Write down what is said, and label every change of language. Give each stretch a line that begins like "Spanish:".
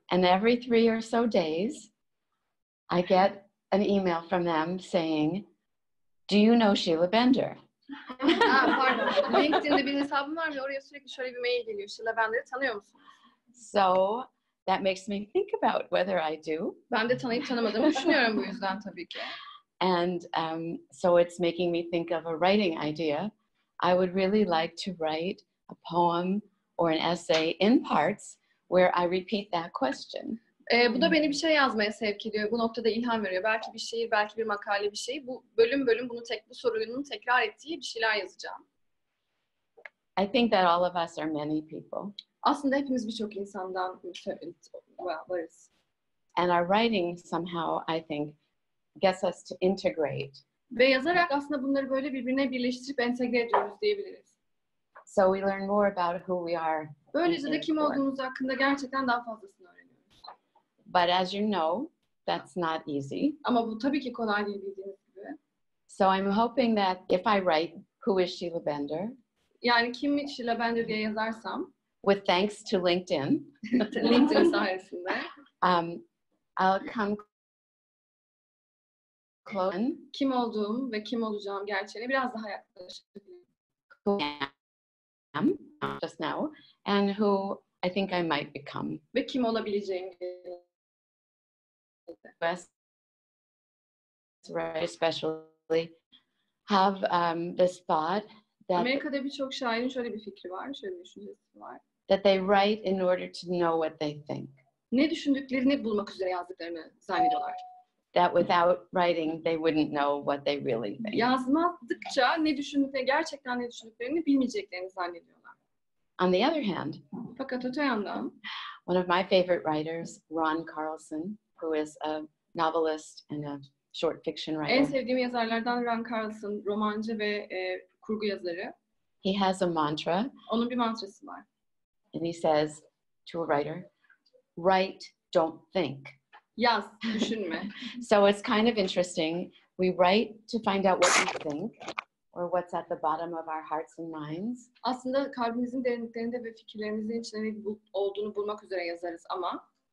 English: And every 3 or so days, I get an email from them saying, "Do you know Sheila Bender?" pardon.
Turkish: LinkedIn'de bir hesabım var ve oraya sürekli şöyle bir mail geliyor. Sheila Bender'i tanıyor musunuz?
English: So that makes me think about whether I do.
Turkish: Ben de tanıyıp tanımadığımı düşünüyorum bu yüzden tabii ki.
English: And so it's making me think of a writing idea. I would really like to write a poem or an essay in parts where I repeat that question.
Turkish: Bu da beni bir şey yazmaya sevk ediyor. Bu noktada ilham veriyor. Belki bir şiir, belki bir makale, bir şey. Bu bölüm bölüm bunu tek bu sorunun tekrar ettiği bir şeyler yazacağım.
English: I think that all of us are many people.
Turkish: Aslında hepimiz birçok insandan varız.
English: And our writing somehow, I think, gets us to integrate.
Turkish: Ve yazarak aslında bunları böyle birbirine birleştirip entegre ediyoruz diyebiliriz.
English: So we learn more about who we are.
Turkish: Böylece de kim olduğumuz hakkında gerçekten daha fazlasını öğreniyoruz.
English: But as you know, that's not easy.
Turkish: Ama bu tabii ki kolay değil bildiğiniz gibi.
English: So I'm hoping that if I write, who is Sheila Bender?
Turkish: Yani kim Sheila Bender diye yazarsam.
English: With thanks to LinkedIn.
Turkish: LinkedIn sayesinde.
English: I'll come close.
Turkish: Kim olduğum ve kim olacağım gerçeğine biraz daha yaklaşabilirim.
English: Just now. And who I think I might become.
Turkish: Ve kim olabileceğim.
English: Very specially have this thought that
Turkish: Amerika'da birçok şairin şöyle bir fikri var, şöyle bir düşüncesi var.
English: That they write in order to know what they think.
Turkish: ne düşündüklerini bulmak üzere yazdıklarını zannediyorlar.
English: That without writing they wouldn't know what they really think.
Turkish: Yazmadıkça ne düşündüklerini, gerçekten ne düşündüklerini bilmeyeceklerini zannediyorlar.
English: On the other hand,
Turkish: fakat öte yandan,
English: one of my favorite writers, Ron Carlson, who is a novelist and a short fiction writer.
Turkish: En sevdiğim yazarlardan Ron Carlson, romancı ve kurgu yazarı.
English: He has a mantra.
Turkish: Onun bir mantrası var.
English: And he says to a writer, write, don't think.
Turkish: Yaz, düşünme.
English: So it's kind of interesting. We write to find out what we think or what's at the bottom of our hearts and minds.
Turkish: Aslında kalbimizin derinliklerinde ve fikirlerimizin içinde ne olduğunu bulmak üzere yazarız ama